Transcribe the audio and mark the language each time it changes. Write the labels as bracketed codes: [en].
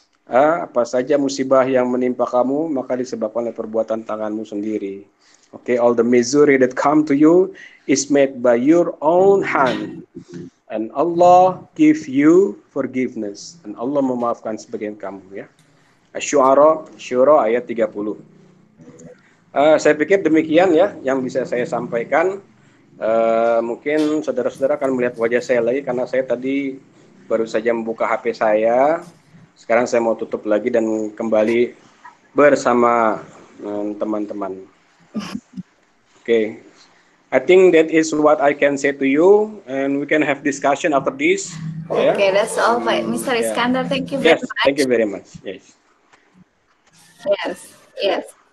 [id] Apa saja musibah yang menimpa kamu, maka disebabkan oleh perbuatan tanganmu sendiri. [en] Okay, all the misery that come to you is made by your own hand. And Allah give you forgiveness. [id] And Allah memaafkan sebagian kamu, ya. Asy-Syu'ara, Syura ayat 30. Saya pikir demikian ya yang bisa saya sampaikan. Mungkin saudara-saudara akan melihat wajah saya lagi karena saya tadi baru saja membuka HP saya. Sekarang saya mau tutup lagi dan kembali bersama teman-teman. Oke. [en] Okay. I think that is what I can say to you and we can have discussion after this. Okay, yeah. That's all by Mr. Iskandar. Thank you very much. Yes, thank you very much. Yes. Yes. Yes.